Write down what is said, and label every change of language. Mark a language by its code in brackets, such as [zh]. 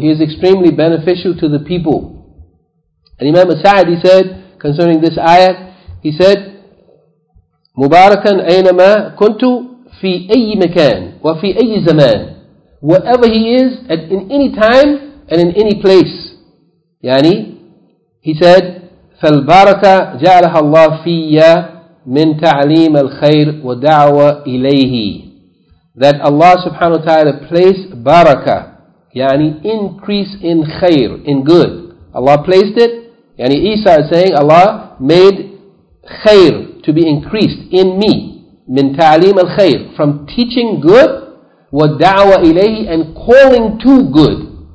[en] He is extremely beneficial to the people. And Imam As-Sa'di said, concerning this ayat, he said, [ar] مُبَارَكًا أَيْنَمَا كُنْتُ فِي أَيِّ مَكَانٍ وَفِي أَيِّ زَمَانٍ. [en] Wherever he is, in any time and in any place. He said, [ar] فَالْبَارَكَ جَعَلَهَا اللَّهُ فِيَّ مِنْ تَعْلِيمَ الْخَيْرِ وَدَعْوَ إِلَيْهِ. [en] That Allah subhanahu wa ta'ala placed baraka, increase in khayr, in good. Allah placed it. Isa is saying, Allah made khayr to be increased in me. [ar] Min ta'aleem al khayr. [en] From teaching good, [ar] wa da'wa ilayhi, [en] and calling to good.